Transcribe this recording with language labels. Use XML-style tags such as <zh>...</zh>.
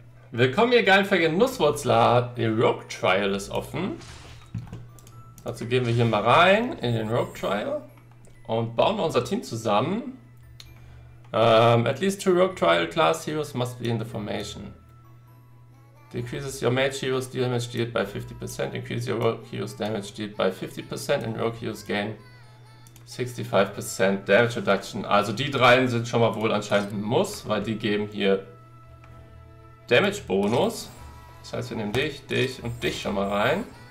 <de>Willkommen, ihr geilfeigen Nusswurzler. Der Rogue Trial ist offen. Dazu gehen wir hier mal rein in den Rogue Trial und bauen unser Team zusammen.</de> <en>At least two Rogue Trial Class Heroes must be in the formation. Decreases your Mage Heroes Damage dealt by 50%. Increases your Rogue Heroes Damage dealt by 50%. And Rogue Heroes gain 65% Damage Reduction.</en> <de>Also die dreien sind schon mal wohl anscheinend ein Muss, weil die geben hier Damage Bonus. Das heißt, wir nehmen dich, dich und dich schon mal rein.</de>